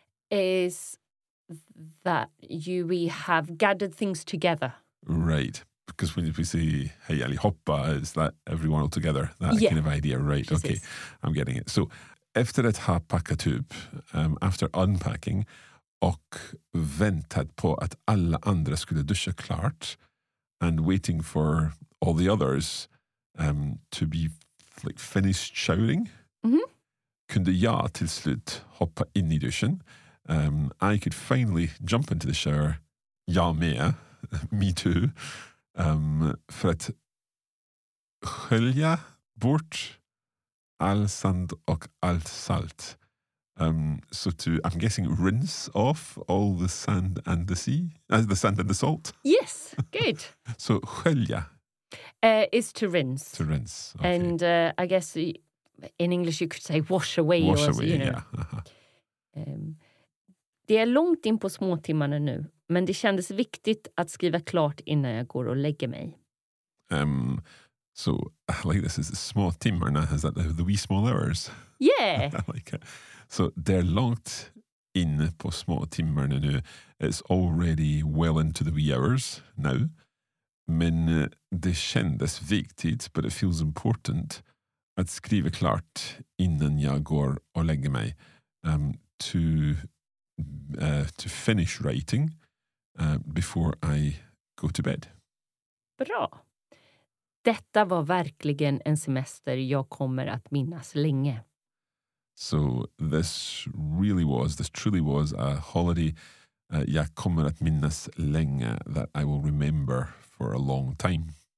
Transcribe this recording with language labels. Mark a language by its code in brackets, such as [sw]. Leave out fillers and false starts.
[en] is that we have gathered things together. Right. Because when we say hey allihopa, is that everyone all together? That yeah. kind of idea, right. Jesus. Okay, I'm getting it. So [sv] efter ett hapakatub, [en] after unpacking [sv] och väntat på att alla andra skulle duscha klart [en] and waiting for all the others to be like finished showering, mm-hmm. [sv] kunde jag till slut hoppa in I duschen. [en] I could finally jump into the shower, [sv] jag med, [en] me too, [sv] för att skölja bort all sand och allt salt. [en] I'm guessing rinse off all the sand and the sea, the sand and the salt. Yes, good. So skölja is to rinse. To rinse, okay. And I guess in English you could say wash away. Wash or, away, you know. Yeah. [sv] Det är långt in på småtimmarna nu, men det kändes viktigt att skriva klart innan jag går och lägger mig. [en] So like this is the small timmar, now is that the wee small hours? Yeah. Like it. So they're locked in [sv] på små timmar nu. [en] It's already well into the wee hours now. [sv] Men det kändes viktigt, [en] but it feels important [sv] att skriva klart innan jag går och lägger mig. [en] To finish writing before I go to bed. [sv] Bra. Detta var verkligen en semester jag kommer att minnas länge. [en] So this truly was a holiday [sv] jag kommer att minnas länge, [en] that I will remember for a long time.